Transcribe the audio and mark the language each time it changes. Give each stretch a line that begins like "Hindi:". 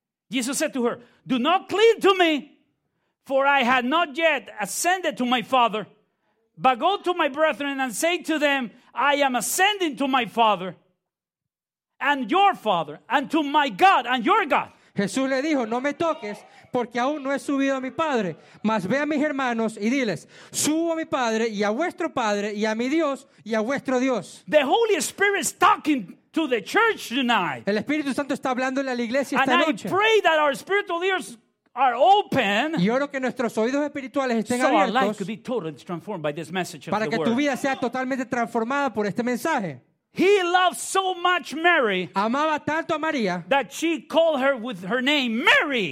English: Jesus said to her, "Do not cling to me, for I had not yet ascended to my Father. But go to my brethren and say to them, I am ascending to my Father and your father, and to my God and your God.
Spanish: Jesús le dijo, no me toques, porque aún no he subido a mi padre. Mas ve a mis hermanos y diles, subo a mi padre y a vuestro padre y a mi Dios y a vuestro Dios.
English: The Holy Spirit is talking to the church tonight.
Spanish: El Espíritu Santo está hablándole a la iglesia esta
English: noche. And I pray that our spiritual ears are open.
Spanish: Y oro que nuestros oídos espirituales estén
English: so
Spanish: abiertos.
English: So our life could be totally transformed by this message of
Spanish: para
English: the
Spanish: que
English: word.
Spanish: Tu vida sea totalmente transformada por este mensaje.
English: He loved so much Mary.
Spanish: Amaba tanto a María.
English: That she called her with her name Mary.